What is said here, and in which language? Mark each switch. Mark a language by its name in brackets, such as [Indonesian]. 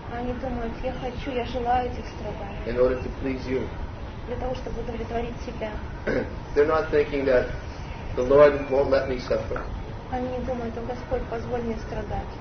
[Russian] Они думают, я хочу, я желаю этих страданий. [English] In order to please you. [Russian] Для того, чтобы удовлетворить себя. [English] They're not thinking that the Lord won't let me suffer. [Russian] Они не думают, о Господь, позволь мне страдать.